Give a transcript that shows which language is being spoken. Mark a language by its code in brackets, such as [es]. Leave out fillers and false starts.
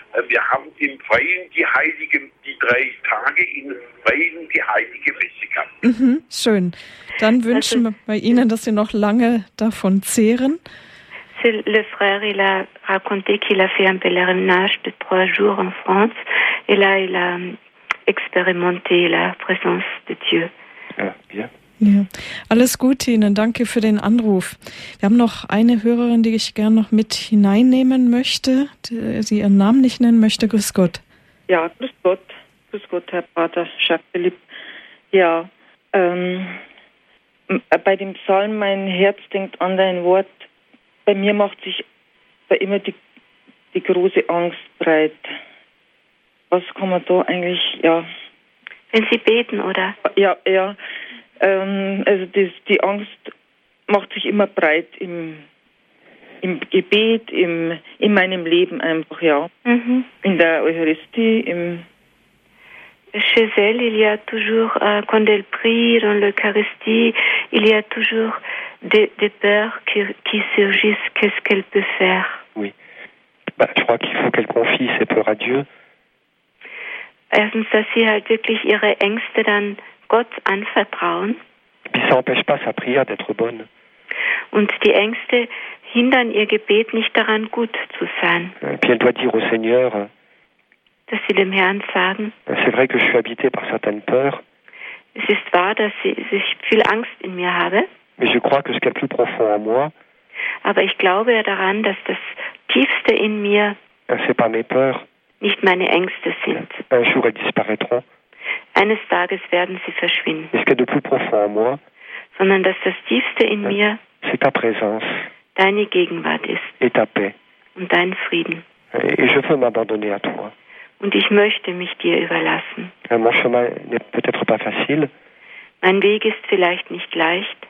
[de] Wir haben, im Freien die Heiligen, die 3 Tage im Freien die Heilige Messe gehabt. Schön. Dann wünschen wir bei Ihnen, dass Sie noch lange davon zehren. [fr] Le frère, il a raconté qu'il a fait un pèlerinage de 3 jours en France et là, il a expérimenté la présence de Dieu. [de] Ja. Alles Gute Ihnen, danke für den Anruf. Wir haben noch eine Hörerin, die ich gerne noch mit hineinnehmen möchte, die Sie ihren Namen nicht nennen möchte. Grüß Gott. Ja, grüß Gott. Grüß Gott, Herr Pater Jacques-Philipp. Ja, bei dem Psalm, mein Herz denkt an dein Wort. Bei mir macht sich da immer die große Angst breit. Was kann man da eigentlich, ja? Wenn Sie beten, oder? Ja, ja. Also die Angst macht sich immer breit im Gebet, in meinem Leben einfach, ja. Mhm. In der Eucharistie, im... [fr] Chez elle, il y a toujours, quand elle prie dans l'Eucharistie, il y a toujours... Des peurs qui surgissent, qu'est-ce qu'elle peut faire? Oui. Bah, je crois qu'il faut qu'elle confie ses peurs à Dieu. [de] Erstens, dass sie halt wirklich ihre Ängste dann Gott anvertrauen. [fr] Puis ça n'empêche pas sa prière d'être bonne. [de] Und die Ängste hindern ihr Gebet nicht daran, gut zu sein. [fr] Et puis elle doit dire au Seigneur, [de] dass sie dem Herrn sagen, [fr] c'est vrai que je suis habité par certaines peurs. [de] Es ist wahr, dass ich viel Angst in mir habe. [fr] Mais je crois que ce qui est plus profond en moi, [de] aber ich glaube ja daran, dass das Tiefste in mir, [fr] c'est pas mes peurs, [de] nicht meine Ängste sind. [fr] Un jour, elles disparaîtront. [de] Eines Tages werden sie verschwinden. [fr] Mais ce qui est de plus profond en moi, [de] sondern dass das Tiefste in mir, [fr] c'est ta présence, [de] deine Gegenwart ist, [fr] et ta paix, [de] und dein Frieden. [fr] Et je veux m'abandonner à toi. [de] Und ich möchte mich dir überlassen. [fr] Mon chemin n'est peut-être pas facile. [de] Mein Weg ist vielleicht nicht leicht.